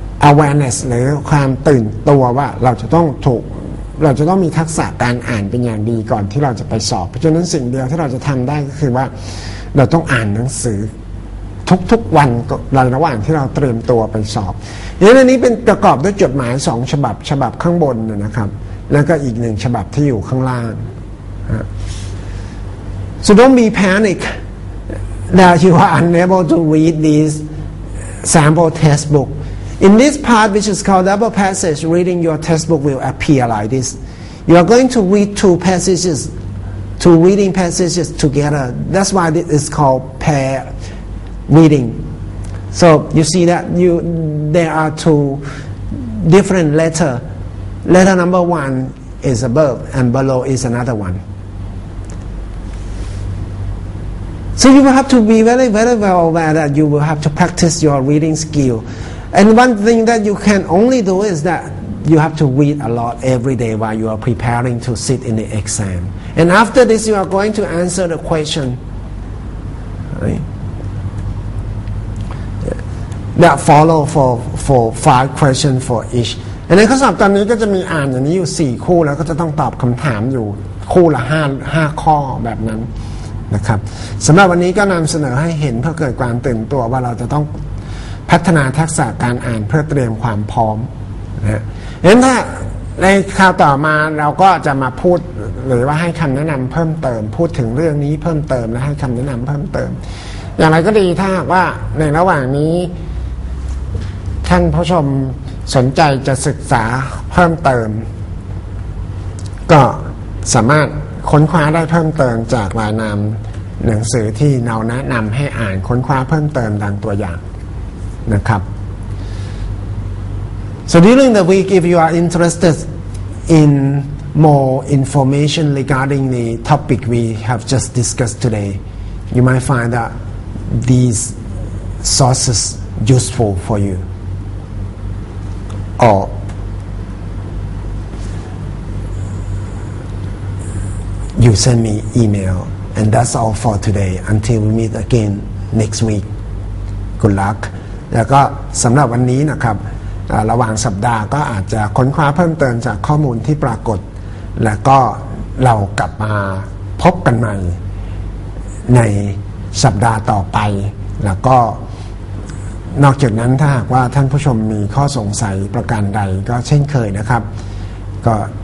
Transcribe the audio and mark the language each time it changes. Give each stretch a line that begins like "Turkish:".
Thai: awareness หรือความตื่นตัวว่าเราจะต้องมีทักษะการอ่านเป็นอย่างดีก่อนที่เราจะไปสอบเพราะฉะนั้นสิ่งเดียวที่เราจะทำได้ก็คือว่าเราต้องอ่านหนังสือทุกๆวันในระหว่างที่เราเตรียมตัวไปสอบดังนั้นนี้เป็นประกอบด้วยจดหมาย2ฉบับฉบับข้างบนนะครับแล้วก็อีกหนึ่งฉบับที่อยู่ข้างล่าง
English: So don't be panic that you are unable to read this sample textbook. In this part, which is called double passage reading, your textbook will appear like this. You are going to read two reading passages together. That's why this is called pair reading. So you see that there are two different letters. Letter number one is above, and below is another one. So you will have to be very, very well aware that you will have to practice your reading skill. And one thing that you can only do is that you have to read a lot every day while you are preparing to sit in the exam. And after this, you are going to answer the question, right? That follow for five questions for each.
Thai: ในข้อสอบตอนนี้ก็จะมีอ่านอย่างนี้อยู่4คู่แล้วก็จะต้องตอบคำถามอยู่คู่ละ5ข้อแบบนั้นนะครับสำหรับวันนี้ก็นำเสนอให้เห็นเพื่อเกิดความตื่นตัวว่าเราจะต้องพัฒนาทักษะการอ่านเพื่อเตรียมความพร้อมนะงั้นถ้าในคราวต่อมาเราก็จะมาพูดหรือว่าให้คำแนะนำเพิ่มเติมพูดถึงเรื่องนี้เพิ่มเติมและให้คำแนะนำเพิ่มเติมอย่างไรก็ดีถ้าว่าในระหว่างนี้ ท่านผู้ชมสนใจจะศึกษาเพิ่มเติมก็สามารถค้นคว้าได้เพิ่มเติมจากรายนามหนังสือที่เราแนะนำให้อ่านค้นคว้าเพิ่มเติมดังตัวอย่างนะครับ
English: So during the week, if you are interested in more information regarding the topic we have just discussed today, you might find that these sources useful for you. Or you send me email. And that's all for today. Until we meet again next week. Good luck.
Thai: แล้วก็สำหรับวันนี้นะครับระหว่างสัปดาห์ก็อาจจะค้นคว้าเพิ่มเติมจากข้อมูลที่ปรากฏแล้วก็เรากลับมาพบกันใหม่ในสัปดาห์ต่อไปแล้วก็นอกจากนั้นถ้าหากว่าท่านผู้ชมมีข้อสงสัยประการใดก็เช่นเคยนะครับก็